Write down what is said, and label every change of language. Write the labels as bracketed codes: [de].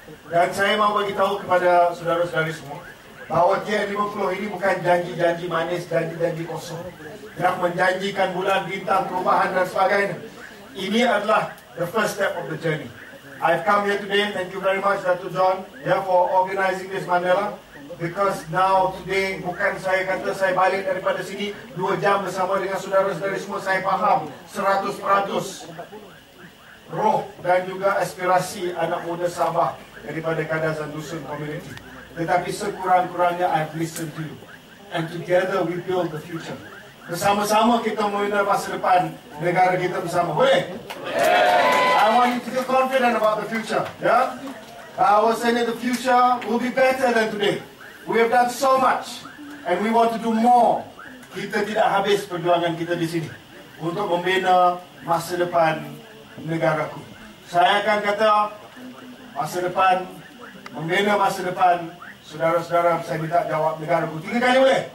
[ms] Dan saya mahu beritahu kepada saudara-saudari semua, bahawa TN50 ini bukan janji-janji manis, janji-janji kosong yang menjanjikan bulan, bintang, perubahan dan sebagainya. Ini adalah [en] the first step of the journey. I've come here today, thank you very much Dato' John, yeah, for organizing this Mandela. Because now today, [ms] bukan saya kata saya balik daripada sini 2 jam bersama dengan saudara-saudari semua. Saya faham 100% roh dan juga aspirasi anak muda Sabah daripada Kadazan Dusun Community. Tetapi sekurang-kurangnya [en] I've listened to you. And together we build the future. [ms] Bersama-sama kita membina masa depan negara kita bersama. Boleh? [en] Yeah. I want you to feel confident about the future. Yeah? I was saying that the future will be better than today. We have done so much. And we want to do more. [ms] Kita tidak habis perjuangan kita di sini. Untuk membina masa depan negaraku. Saya akan kata masa depan, membina masa depan. Saudara-saudara, saya minta jawab negara ku. 3 kali boleh?